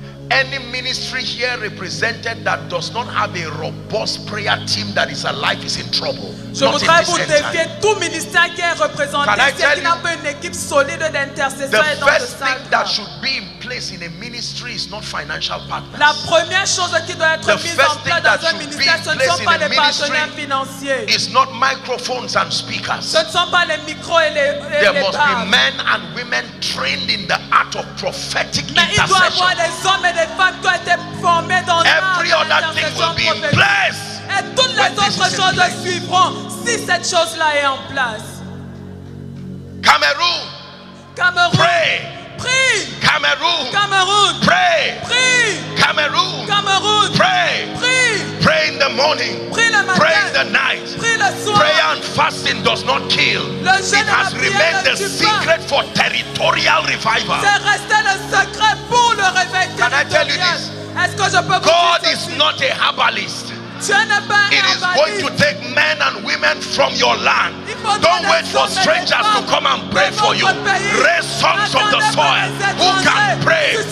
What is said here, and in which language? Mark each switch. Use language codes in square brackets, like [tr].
[en] Any ministry here represented that does not have a robust prayer team that is alive is in trouble. [fr] Je voudrais vous défier tout ministère qui est représenté ici qui n'a pas une équipe solide d'intercesseurs dans le centre. [en] The first thing that should be in place in a ministry is not financial partners. [fr] La première chose qui doit être mise en place dans un ministère, ce ne sont pas les partenaires financiers. [en] It's not microphones and speakers. [fr] Ce ne sont pas les micros et les parles. [en] There must be men and women trained in the art of prophetic intercession. [fr] Mais il doit y avoir des hommes et des femmes qui ont été formés dans l'art de l'intercession prophétique. [en] Every other thing will be in place. [fr] Et toutes les autres choses suivront si cette chose-là est en place. Cameroun. Cameroun. [en] Pray. Pray. Cameroun. Cameroun. Pray. Pray. Cameroun. Cameroun. Pray. Pray. Pray in the morning. Pray [fr] le matin. [en] Pray in the night. Pray [fr] le soir. [en] Pray and fasting does not kill. [fr] Le jeûne [en] it has remained the secret for territorial revival. [fr] C'est resté le secret pour le réveil territorial. [en] Can I tell you this? [fr] Est-ce que je peux vous [en] God [fr] dire [en] is not a herbalist. It is going to take men and women from your land. Don't wait for strangers to come and pray for you. Raise sons of the soil who can pray.